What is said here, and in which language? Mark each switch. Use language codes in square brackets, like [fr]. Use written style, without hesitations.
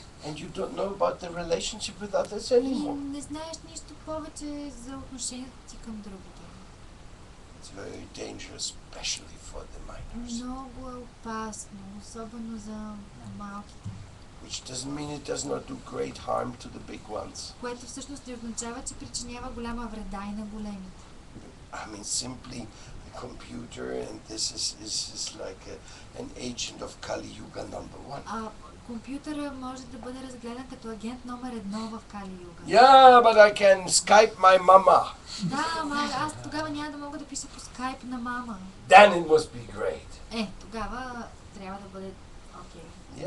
[en] And you don't know about the relationship with others anymore. [bg] Не знаеш нищо повече за отношението ти към другите. [en] It's very dangerous, especially for the minors. [bg] Много е опасно, особено за малките. [en] Which doesn't mean it does not do great harm to the big ones. [bg] Което всъщност не означава, че причинява голяма вреда и на големите. [en] I mean simply computer and this is like an agent of Kali Yuga number one. [bg] А компютърът може да бъде разгледан като агент номер едно в Кали Юга. [en] Yeah, but I can Skype my mama. [bg] Да, ама аз тогава няма да мога да пиша по Skype на мама. [en] Then it must be great. [bg] Е, тогава трябва да бъде окей.